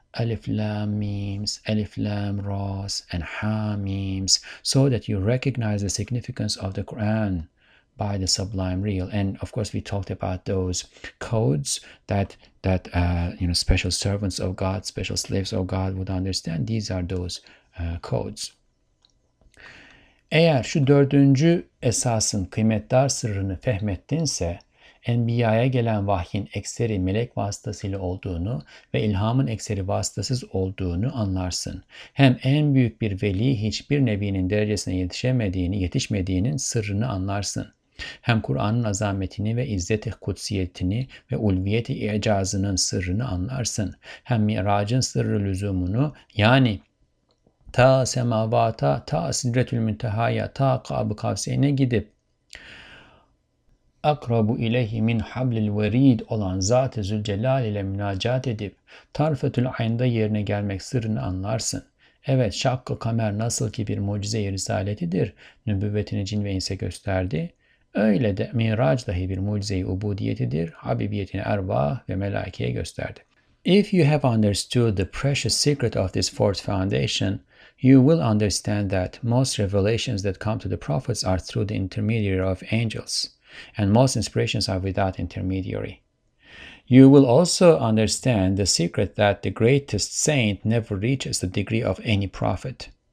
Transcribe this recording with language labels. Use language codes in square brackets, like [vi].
[en] Alif Lam Memes, Alif Lam Ras, and Ha Memes, so that you recognize the significance of the Quran by the sublime real. And of course, we talked about those codes that special servants of God, special slaves of God would understand. These are those codes. [tr] Eğer şu dördüncü esasın kıymetdar sırrını fehmettinse, Enbiya'ya gelen vahyin ekseri melek vasıtasıyla olduğunu ve ilhamın ekseri vasıtasız olduğunu anlarsın. Hem en büyük bir veli hiçbir nebinin derecesine yetişmediğinin sırrını anlarsın. Hem Kur'an'ın azametini ve izzet-i kutsiyetini ve ulviyet-i icazının sırrını anlarsın. Hem miracın sırrı lüzumunu yani ta semavata, ta sidretül müntehaya, ta kab-ı kavseyne gidip [ar] akrabu ileyhi min hablil verid [tr] olan Zat-ı Zülcelal ile münacat edip tarfetül ayında yerine gelmek sırrını anlarsın. Evet, şakk-ı kamer nasıl ki bir mucize-i risaletidir, nübüvvetini cin ve inse gösterdi, öyle de mirac dahi bir mucize-i ubudiyetidir, habibiyetini ervah ve melaikeye gösterdi. [en] If you have understood the precious secret of this fourth foundation, you will understand that most revelations that come to the prophets are through the intermediary of angels, and most inspirations are without intermediary. You will also understand the secret that the greatest saint never reaches the degree of any prophet.